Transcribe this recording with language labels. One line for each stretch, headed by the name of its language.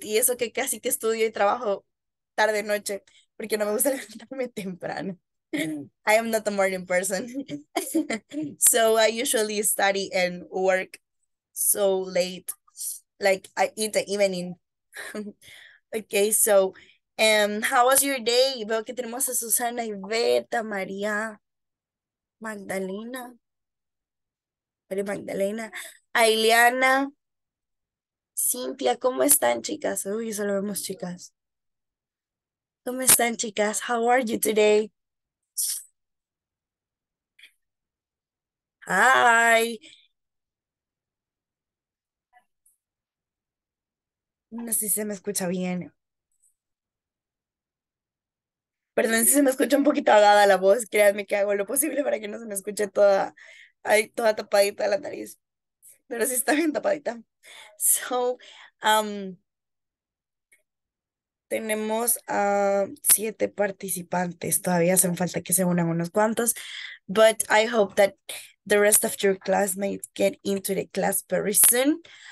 Spanish: Y eso que casi que estudio y trabajo tarde noche porque no me gusta levantarme temprano.
English: I am not a morning person. So I usually study and work so late. Like I in the evening. Okay, so how was your day?
Spanish: Veo que tenemos a Susana y Beta, María, Magdalena, María Magdalena, Ailiana, Cintia, ¿cómo están, chicas? Uy, solo vemos chicas. ¿Cómo están, chicas?
English: How are you today? Hi.
Spanish: No sé si se me escucha bien. Perdón si se me escucha un poquito ahogada la voz. Créanme que hago lo posible para que no se me escuche toda, ay, toda tapadita la nariz. Pero sí está bien tapadita. So, tenemos a siete participantes. Todavía hacen falta que se unan unos cuantos.
English: But I hope that the rest of your classmates get into the class very soon.